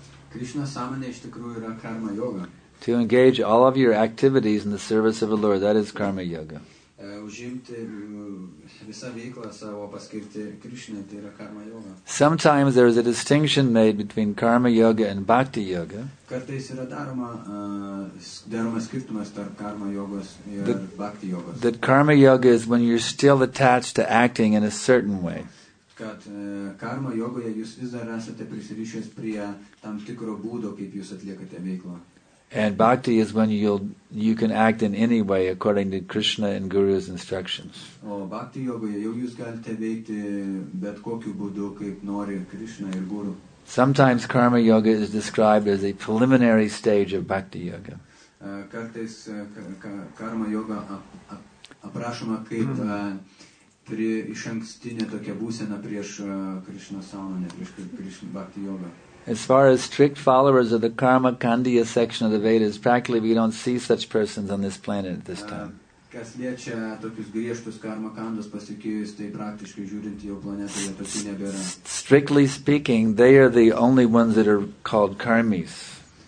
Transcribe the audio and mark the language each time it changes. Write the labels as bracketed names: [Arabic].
[Lithuanian] Krishna samanya iš tikrųjų yra karma yoga. [English] To engage all of your activities in the service of the Lord, that is karma yoga. [Lithuanian] Užimti visą veiklą savo paskirti Krishna, tai yra karma yoga. [English] Sometimes there is a distinction made between karma yoga and bhakti yoga. [Lithuanian] Kartais yra daroma skirtumas tarp karma yogos ir bhakti yogos. [English] That karma yoga is when you're still attached to acting in a certain way. [Lithuanian] Kad karma yogoje jūs vis dar esate prisirišęs prie tam tikro būdo, kaip jūs atliekate veiklą. [English] And bhakti is when you can act in any way according to Krishna and Guru's instructions. [Lithuanian] O bhakti yogoje jau jūs galite veikti bet kokiu būdu, kaip nori Krishna ir Guru. [English] Sometimes karma yoga is described as a preliminary stage of bhakti yoga. [Lithuanian] Kartais karma yoga aprašoma kaip iš ankstinė tokia būsena prieš Krishna sąmonę, prieš Krishna bhakti yoga. [English] As far as strict followers of the karma kandiya section of the Vedas, practically we don't see such persons on this planet at this time. [Lithuanian] Kas liečia tokius griežtus karma kandos pasiekėjus, tai praktiškai žiūrint jau planetoje tokių nebėra. [English] Strictly speaking, they are the only ones that are called karmis.